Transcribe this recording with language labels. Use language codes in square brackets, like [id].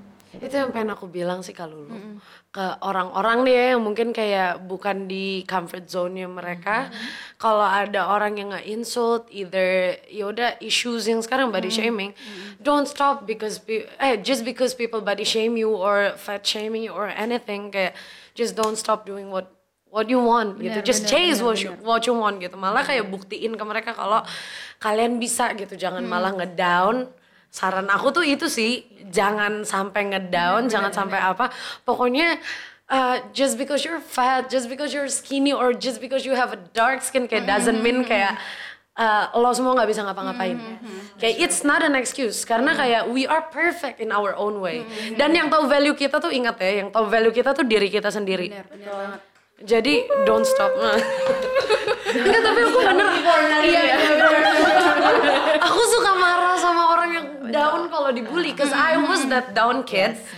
[id] Itu yang pengen aku bilang sih Kak Lulu, ke orang-orang nih ya yang mungkin kayak bukan di comfort zone-nya mereka, kalau ada orang yang nge-insult, either yaudah issues yang sekarang body shaming, [en] don't stop because just because people body shame you or fat shaming you or anything, kayak just don't stop doing what you want, [id] bener, gitu. [en] Just chase what you want, [id] gitu. Malah kayak buktiin ke mereka kalau kalian bisa, gitu. Jangan malah ngedown. Saran aku tuh itu sih, jangan sampai ngedown, jangan sampai apa. [en] Pokoknya, just because you're fat, just because you're skinny, or just because you have a dark skin, kayak doesn't mean [id] kayak lo semua gak bisa ngapa-ngapain. [en] Kayak it's not an excuse, [id] karena kayak [en] we are perfect in our own way. [id] Dan yang tahu value kita tuh ingat ya, yang tahu value kita tuh diri kita sendiri. Bener banget. Jadi [en] don't stop. [id] Enggak, tapi aku bener. Iya. Aku suka marah sama orang yang down kalau dibully, [en] cause I was that down kid.